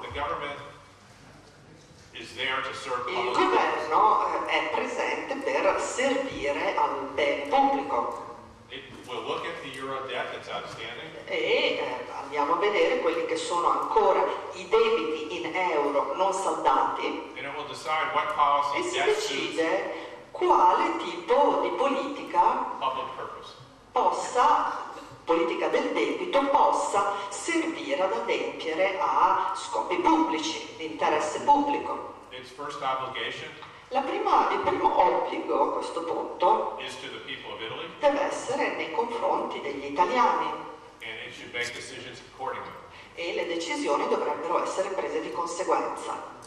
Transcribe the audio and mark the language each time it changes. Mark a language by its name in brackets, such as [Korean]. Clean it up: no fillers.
[English] the government is there to serve [Italian] il governo è presente per servire al bene pubblico. [English] We'll look at the euro debt that's outstanding. [Italian] E andiamo a vedere quelli che sono ancora i debiti in euro non saldati. [English] And it will decide what policy [Italian] e si decide quale tipo di politica [English] public purpose [Italian] possa politica del debito possa servire ad adempiere a scopi pubblici, di interesse pubblico. [English] Its first obligation [Italian] il primo obbligo a questo punto [English] is to the people of Italy, [Italian] deve essere nei confronti degli italiani. [English] And it should make decisions accordingly. [Italian] E le decisioni dovrebbero essere prese di conseguenza.